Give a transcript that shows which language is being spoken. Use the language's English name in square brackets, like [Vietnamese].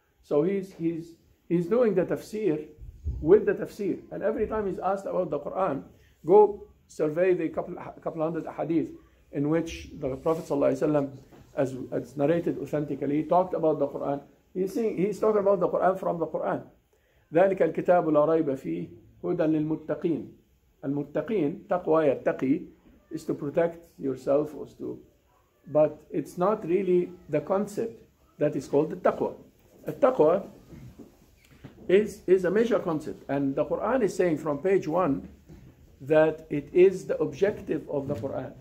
[English] So he's doing the tafsir with the tafsir. And every time he's asked about the Quran, go survey the couple hundred ahadith in which the Prophet ﷺ, as narrated authentically, talked about the Quran. He's talking about the Quran from the Quran. [Arabic] ذلك الكتاب لا ريب فيه هدى للمتقين. المتقين تقوى يتقي [English] is to protect yourself, or to, but it's not really the concept that is called the taqwa. Taqwa is a major concept, and the Quran is saying from page one that it is the objective of the Quran.